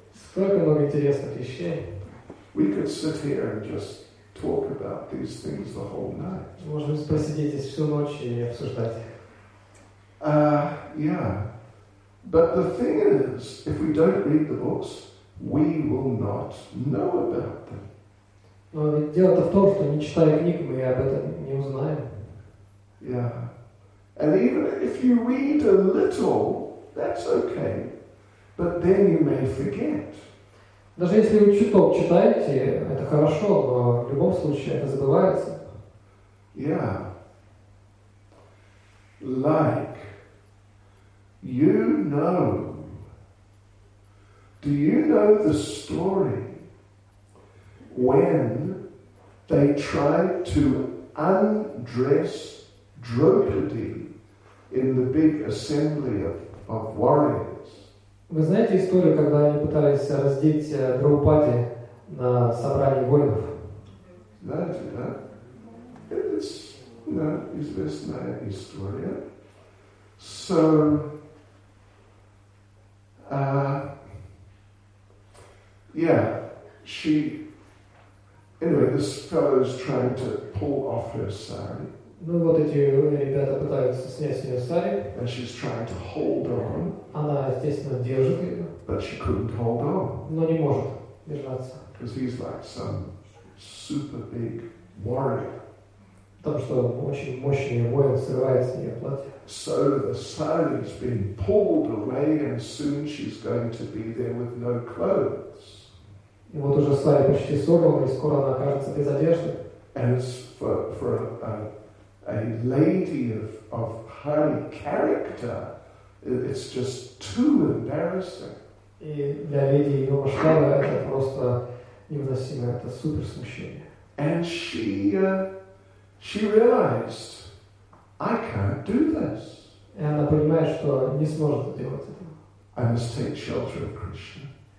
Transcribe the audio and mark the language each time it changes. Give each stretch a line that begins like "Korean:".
Russian: Столько много интересных вещей.
English: We could sit here and just talk about these things the whole night.
Russian: Можем посидеть здесь всю ночь и обсуждать их.
English: Yeah. But the thing is, if we don't read the books, we will not know about them.
Russian: Но ведь дело-то в том, что не читая книг, мы об этом не узнаем.
English: Yeah. And even if you read a little, that's okay. But then you may forget.
Russian: Даже если вы чуток читаете, это хорошо, но в любом случае это забывается.
English: Yeah. Like, you know. Do you know the story when they tried to undress Draupadi in the big assembly of warriors?
Russian: Вы знаете историю, когда они пытались раздеть Драупади на собрании воинов? Знаете, да?
English: It's, you know,
Russian: известная история.
English: So, yeah, she. Anyway, this fellow is trying to pull off her sari.
Russian: Ну вот эти ребята пытаются снять с нее сари.
English: And she's trying to hold on.
Russian: Она естественно держит ее.
English: But she couldn't hold on.
Russian: Но не может держаться.
English: Because he's like some super big warrior.
Russian: Потому что очень мощный воин срывает с нее платье.
English: So the sari has been pulled away, and soon she's going to be there with no clothes.
Russian: И вот уже сари почти сорвана, и скоро она окажется без одежды.
English: And it's for a lady of high character, it's just too embarrassing.
Russian: И для леди ее масштаба это просто невыносимо, это супер смущение.
English: And she realized, I can't do this.
Russian: И она понимает, что не сможет делать это.
English: I must take shelter of Krishna.